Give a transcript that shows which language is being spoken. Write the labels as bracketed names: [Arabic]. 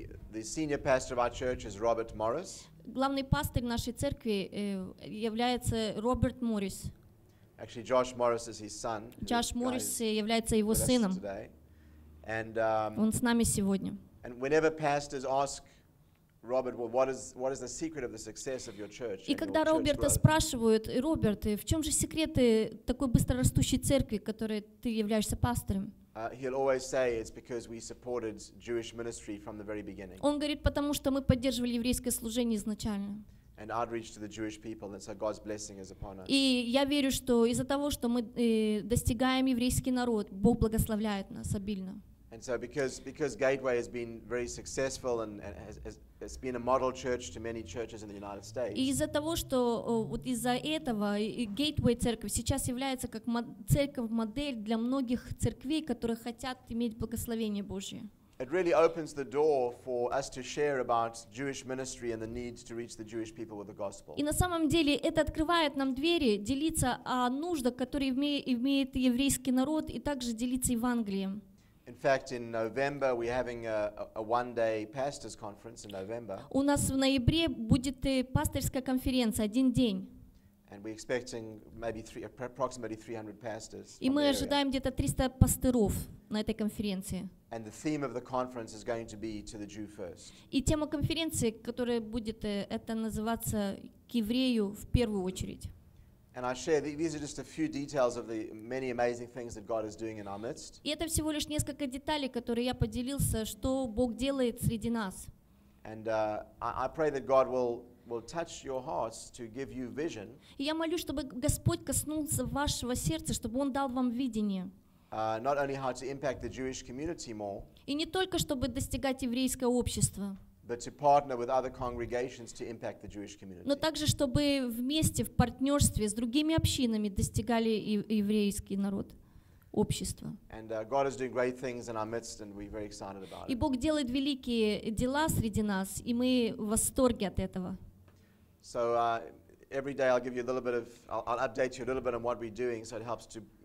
[English] The senior pastor of our church is Robert Morris. [Russian] Главный пастырь нашей церкви является Роберт Моррис. [English] Actually, Josh Morris is his son. [Russian] Josh Morris является его сыном. [English] And [Russian] он с нами сегодня. [English] And whenever pastors ask Robert, well, what is the secret of the success of your church? [Russian] И когда Роберта спрашивают, Роберт, в чем же секреты такой быстрорастущей церкви, которой ты являешься пастором? [English] He'll always say it's because we supported Jewish ministry from the very beginning. [Russian] Он говорит, потому что мы поддерживали еврейское служение изначально. [English] And outreach to the Jewish people, and so God's blessing is upon us. [Russian] И я верю, что из-за того, что мы достигаем еврейский народ, Бог благословляет нас обильно. [English] And so because Gateway has been very successful and has been a model church to many churches in the United States. [Russian] И из-за того, что вот из-за этого Gateway церковь сейчас является как церковь-модель для многих церквей, которые хотят иметь благословение Божье. [English] It really opens the door for us to share about Jewish ministry and the need to reach the Jewish people with the gospel. [Russian] И на самом деле это открывает нам двери делиться о нуждах, которые имеет еврейский народ, и также делиться Евангелием. [English] In fact, in November we're having a one-day pastors' conference in November. [Russian] У нас в ноябре будет пастырская конференция один день. [English] And we're expecting maybe approximately 300 pastors. [Russian] И мы ожидаем где-то 300 пастыров на этой конференции. [English] And the theme of the conference is going to be to the Jew first. [Russian] И тема конференции, которая будет, это называться к еврею в первую очередь. [English] And I share these are just a few details of the many amazing things that God is doing in our midst. [Russian] И это всего лишь несколько деталей, которые я поделился, что Бог делает среди нас. [English] And I pray that God will touch your hearts to give you vision. [Russian] И я молю, чтобы Господь коснулся вашего сердца, чтобы Он дал вам видение. [English] Not only how to impact the Jewish community more. [Russian] И не только чтобы достигать еврейское общество. [English] But to partner with other congregations to impact the Jewish community. [Russian] Но также чтобы вместе в партнерстве с другими общинами достигали еврейский народ, общество. [English] And God is doing great things in our midst, and we're very excited about it. [Russian] И Бог делает великие дела среди нас, и мы в восторге от этого. [English] So every day I'll give you a little bit of, I'll update you a little bit on what we're doing, so it helps to.